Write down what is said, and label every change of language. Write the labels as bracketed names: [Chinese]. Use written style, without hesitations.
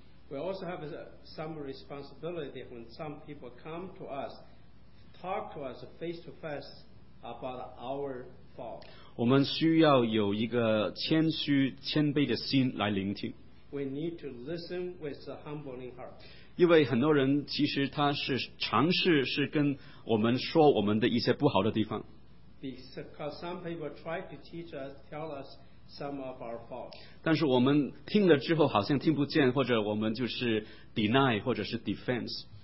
[English] We also have some responsibility when some people come to us, talk to us face to face about our fault. [Chinese] 我们需要有一个谦虚谦卑的心来聆听。 [English] We need to listen with a humbling heart. [Chinese] 因为很多人其实他是尝试是跟我们说我们的一些不好的地方。 [English] Because some people try to teach us, tell us some of our faults. [Chinese] 但是我们听了之后好像听不见，或者我们就是 deny 或者是 defense.